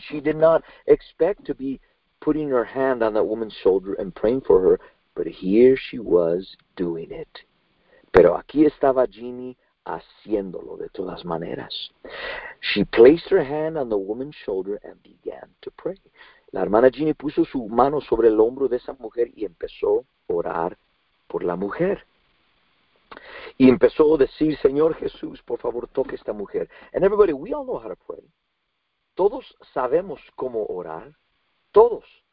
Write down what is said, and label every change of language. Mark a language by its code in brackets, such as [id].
[en] She did not expect to be putting her hand on that woman's shoulder and praying for her. But here she was doing it. [es] Pero aquí estaba Jeannie haciéndolo de todas maneras. [en] She placed her hand on the woman's shoulder and began to pray. [es] La hermana Jeannie puso su mano sobre el hombro de esa mujer y empezó a orar por la mujer. Y empezó a decir, Señor Jesús, por favor, toque esta mujer. [en] And everybody, we all know how to pray. [es] Todos sabemos cómo orar. Todos.